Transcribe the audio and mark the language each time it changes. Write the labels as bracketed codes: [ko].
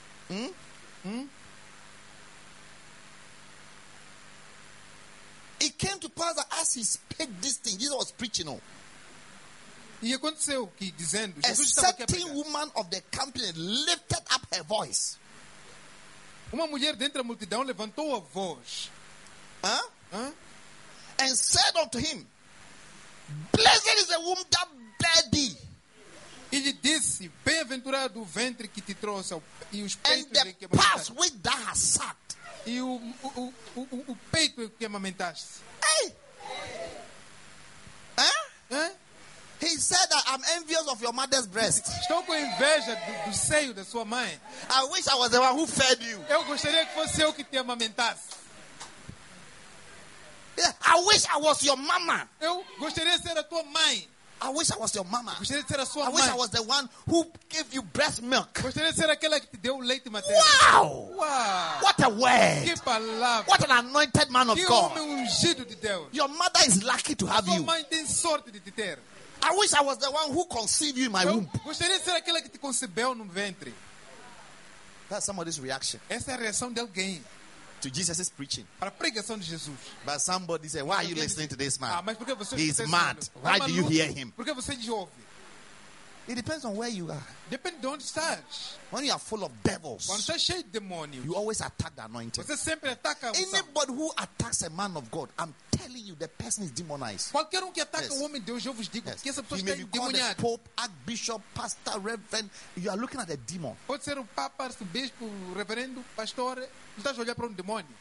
[en] It came to pass that as he spake this thing, Jesus was preaching. [pt] E aconteceu que dizendo, Jesus [en] a certain woman of the company lifted up her voice. [pt] Uma mulher dentro da multidão levantou a voz. [en] And said unto him, blessed is the womb that bear thee. [pt] E lhe disse, bem-aventurado o ventre que te trouxe e os peitos em que amamentaste. E o peito em que amamentaste. Hey. [en] He said that I'm envious of your mother's breast. [pt] Estou com inveja do seio da sua mãe. [en] I wish I was the one who fed you. [pt] Eu gostaria que fosse eu que te amamentasse. [en] I wish I was your mama. [pt] Eu gostaria de ser a tua mãe. [en] I wish I was your mama. [pt] Gostaria de ser a sua mãe. [en] I wish I was the one who gave you breast milk. [pt] Gostaria de ser aquela que te deu leite materno. Wow! Wow! [en] What a word! [pt] Que palavra! [en] What an anointed man of [pt] que [en] God! [pt] Que homem ungido de Deus! [en] Your mother is lucky to have you. [pt] Sua mãe tem sorte de te ter. [en] I wish I was the one who conceived you in my womb. [pt] Gostaria de ser aquela que te concebeu no ventre. [en] That's somebody's reaction. [pt] Essa é a reação de alguém. [en] To Jesus' preaching. [pt] Para a pregação de Jesus. [en] But somebody said, why are you listening to this man? [pt] Ah, mas porque você [en] he's mad. Why do you hear him? [pt] Porque você ouve? [en] It depends on where you are. [pt] Depende de onde estás. [en] When you are full of devils, [pt] quando estás cheio de demônios, [en] you always attack the anointed. [pt] Você sempre ataca o santo. [en] Anybody who attacks a man of God, I'm telling you, the person is demonized. [pt] Qualquer que ataca o homem de Deus, eu vos digo que essa pessoa está demoniada. [en] Maybe Pope, Archbishop, Pastor, Reverend, you are looking at a demon. [pt] Pode ser o Papa, o Bispo, o Reverendo, Pastor, estás a olhar para demônio.